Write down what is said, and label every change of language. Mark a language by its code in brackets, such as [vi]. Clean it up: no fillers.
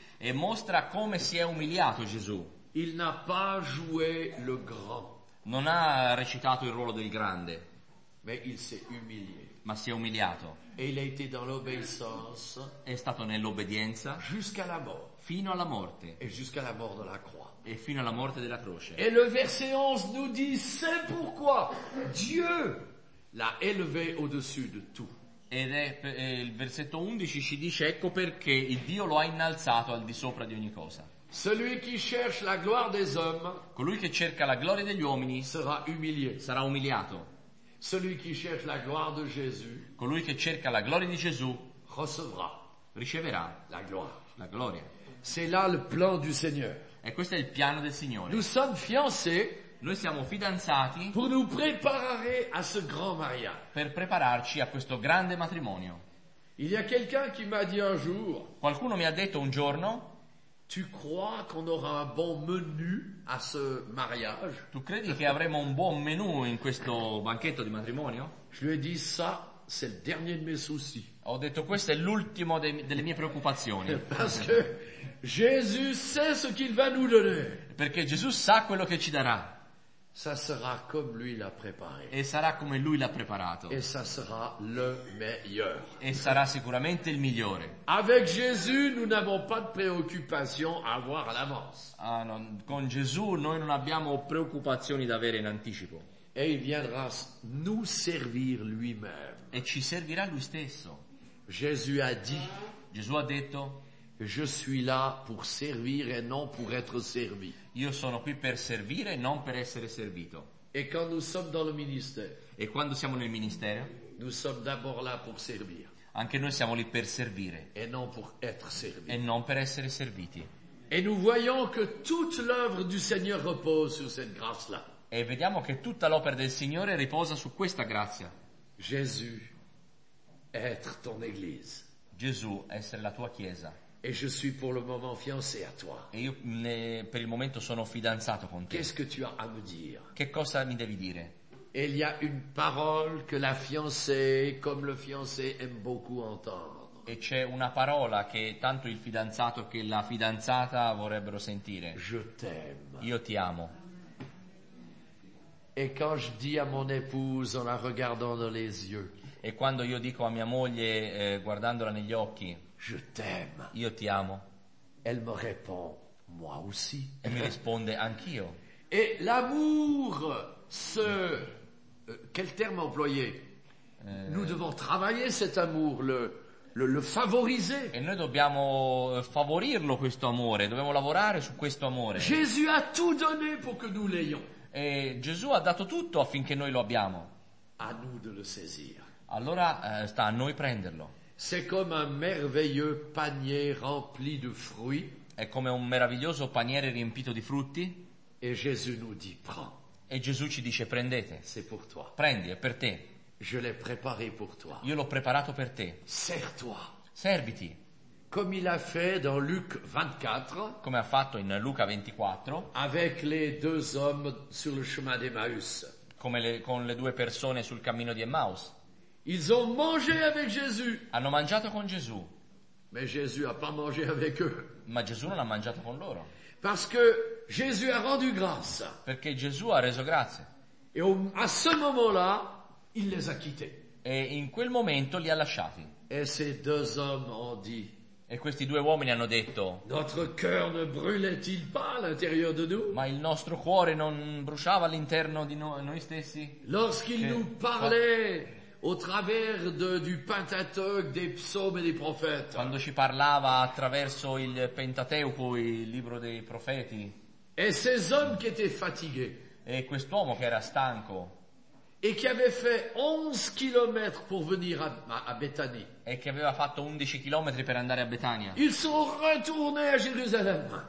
[it] E mostra come si è umiliato Gesù. [fr] Il n'a pas joué le grand. [it] Non ha recitato il ruolo del grande. [fr] Mais il s'est humilié. [it] Ma si è umiliato. [fr] Et il a été dans l'obéissance. [it] È stato nell'obbedienza. [fr] Jusqu'à la mort. [it] Fino alla morte. [fr] Et jusqu'à la mort de la croix. [it] E fino alla morte della croce. [fr] Et le verset 11 nous dit, c'est pourquoi Dieu l'a élevé au-dessus de tout. [it] Ed è il versetto 11 ci dice, ecco perché il Dio lo ha innalzato al di sopra di ogni cosa. [fr] Celui qui cherche la gloire des hommes. [it] Colui che cerca la gloria degli uomini. Sarà [fr] umilié. [it] Sarà umiliato. [fr] Celui qui cherche la gloire de Jésus. [it] Colui che cerca la gloria di Gesù. [fr] Recevra. [it] Riceverà. [fr] La gloire. [it] La gloria. [fr] C'est là le plan du Seigneur. [it] E questo è il piano del Signore. [fr] Nous sommes fiancés. [it] Noi siamo fidanzati. [fr] Pour nous préparer à ce grand mariage. [it] Per prepararci a questo grande matrimonio. [fr] Il y a quelqu'un qui m'a dit un jour. [it] Qualcuno mi ha detto un giorno. [fr] Tu crois qu'on aura un bon menu à ce mariage? [it] Tu credi che avremo un buon menù in questo banchetto di matrimonio? [fr] Je lui ai dit ça, c'est le dernier de mes soucis. [it] Ho detto questo è l'ultimo delle mie preoccupazioni. [fr] Parce que Jésus sait ce qu'il va nous donner. [it] Perché Gesù sa quello che ci darà. [fr] Ça sera comme lui l'a préparé. [it] E sarà come lui l'ha preparato. [fr] Et ça sera le meilleur. [it] E sarà sicuramente il migliore. [fr] Avec Jésus, nous n'avons pas de préoccupation à avoir à l'avance. [it] Ah, non. Con Gesù noi non abbiamo preoccupazioni da avere in anticipo. [fr] Et il viendra nous servir lui-même. [it] E ci servirà lui stesso. [fr] Jésus a dit. [it] Gesù ha detto. [fr] Je suis là pour servir et non pour être servi. [it] Io sono qui per servire e non per essere servito. E quando [fr] nous sommes dans le ministère? [it] E quando siamo nel ministero? [fr] Nous sommes d'abord là pour servir. [it] Anche noi siamo lì per servire. [fr] Et non pour être servi. [it] E non per essere serviti. [fr] Et nous voyons que toute l'œuvre du Seigneur repose sur cette grâce-là. [it] E vediamo che tutta l'opera del Signore riposa su questa grazia. [fr] Gesù, être ton église. [it] Gesù, essere la tua chiesa. [fr] Et je suis pour le moment fiancé à toi. [it] E io per il momento sono fidanzato con te. [fr] Qu'est-ce que tu as à me dire? [it] Che cosa mi devi dire? [fr] Il y a une parole que la fiancée, comme le fiancé, aime beaucoup entendre. [it] E c'è una parola che tanto il fidanzato che la fidanzata vorrebbero sentire. [fr] Je t'aime. [it] Io ti amo. [fr] Et quand je dis à mon épouse en la regardant dans les yeux. [it] E quando io dico a mia moglie guardandola negli occhi. [fr] Je t'aime. [it] Io ti amo. [fr] Elle me répond, moi aussi. [it] E mi risponde anch'io. [fr] Et l'amour, ce quel terme employé? Nous devons travailler cet amour, le Lo favoriser. [it] E noi dobbiamo favorirlo questo amore, dobbiamo lavorare su questo amore. [fr] Gesù ha tout donné pour que nous l'ayons. [it] E Gesù ha dato tutto affinché noi lo abbiamo. [fr] À nous de le saisir. [it] Allora sta a noi prenderlo. [fr] C'est comme un merveilleux panier rempli de fruits. [it] È come un meraviglioso paniere riempito di frutti. [fr] Et Jésus nous dit, prends. [it] E Gesù ci dice prendete. [fr] C'est pour toi. [it] Prendi, è per te. [fr] Je l'ai préparé pour toi. [it] Io l'ho preparato per te. [fr] Sers-toi. [it] Serviti. [fr] Comme il a fait dans Luc 24. [it] Come ha fatto in Luca 24. [fr] Avec les deux hommes sur le chemin d'Emmaüs. [it] Come con le due persone sul cammino di Emmaus. [fr] Ils ont mangé avec Jésus. [it] Hanno mangiato con Gesù. [fr] Mais Jésus a pas mangé avec eux. [it] Ma Gesù non ha mangiato con loro. [fr] Parce que Jésus a rendu grâce. [it] Perché Gesù ha reso grazie. [fr] Et à ce moment-là, il les a quittés. [it] E in quel momento li ha lasciati. [fr] Et ces deux hommes ont dit. [it] E questi due uomini hanno detto. [fr] Notre cœur ne brûlait-il pas à l'intérieur de nous? [it] Ma il nostro cuore non bruciava all'interno di noi stessi? [fr] Lorsqu'il nous parlait. Au travers du Pentateuque, des psaumes et des prophètes. [it] Quando ci parlava attraverso il Pentateuco, il libro dei profeti. [fr] Et ces hommes qui étaient fatigués. [it] E quest'uomo che era stanco. [fr] Et qui avait fait 11 km pour venir à Bethanie. [it] E che aveva fatto 11 km per andare a Betania. [fr] Ils sont retournés à Jérusalem.